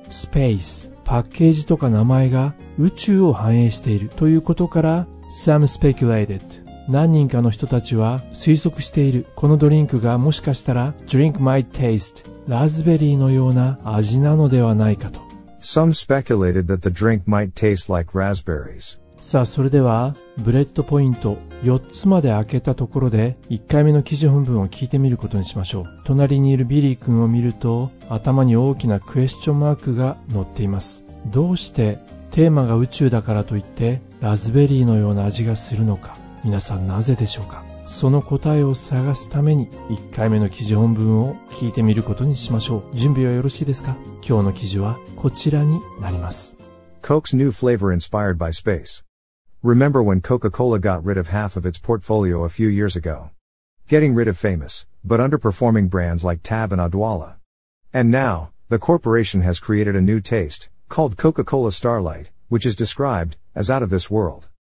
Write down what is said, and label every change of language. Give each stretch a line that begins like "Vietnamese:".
Japanese: Space、 パッケージとか名前が宇宙を反映しているということから、
English: Some speculated、
Japanese: 何人かの人たちは推測している。このドリンクがもしかしたら
English: Drink might taste
Japanese: ラズベリーのような味なのではないかと。
English: Some speculated that the drink might taste like raspberries。
Japanese: さあ、それではブレッドポイント4つまで開けたところで1回目の記事本文を聞いてみることにしましょう。隣にいるビリー君を見ると頭に大きなクエスチョンマークが載っています。どうしてテーマが宇宙だからといってラズベリーのような味がするのか、皆さんなぜでしょうか。その答えを探すために1回目の記事本文を聞いてみることにしましょう。準備はよろしいですか。今日の記事はこちらになります。
English: Coke's new flavor inspired by space. Remember when Coca-Cola got rid of half of its portfolio a few years ago? Getting rid of famous but underperforming brands like Tab and Odwalla. And now the corporation has created a new taste called Coca-Cola Starlight, which is described as out of this world.